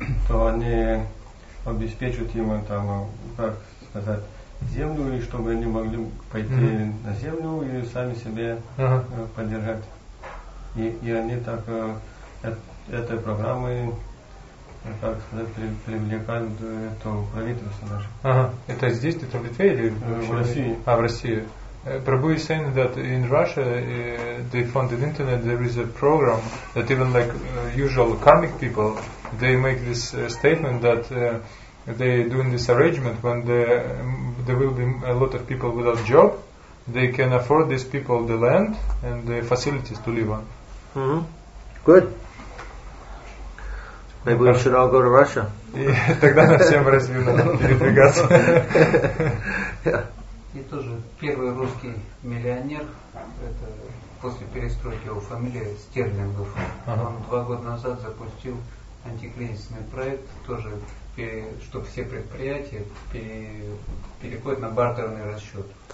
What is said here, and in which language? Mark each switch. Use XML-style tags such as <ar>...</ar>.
<ru>то они обеспечат им там, как сказать, землю, и чтобы они могли пойти на землю и сами себе поддержать. И они так этой программой так сказать, привлекают это правительство наше. Это здесь, это в Литве или в России? В России.</ru> <en>Prabhu is saying that in Russia they funded internet, there is a program that even like usual karmic people, they make this statement that they doing this arrangement when there will be a lot of people without job, they can afford these people the land and the facilities to live on. Good. Maybe we should all go to Russia.</en> <ru>Тогда на всем Россию надо передвигаться. И тоже первый русский миллионер, это после перестройки его фамилия Стерлингов, он 2 года назад запустил антикризисный проект, тоже чтобы все предприятия переходят на бартерный расчет.</ru>